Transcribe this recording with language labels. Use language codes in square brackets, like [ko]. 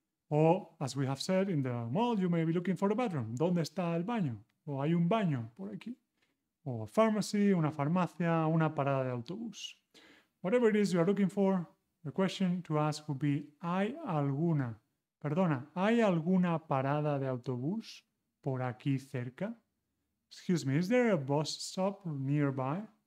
[en] Or, as we have said, in the mall, you may be looking for a bathroom. [es] ¿Dónde está el baño? ¿O hay un baño por aquí? [en] Or a pharmacy, [es] una farmacia, una parada de autobús. [en] Whatever it is you are looking for, the question to ask would be, [es] ¿hay alguna? Perdona, ¿hay alguna parada de autobús por aquí cerca? [en] Excuse me, is there a bus stop nearby?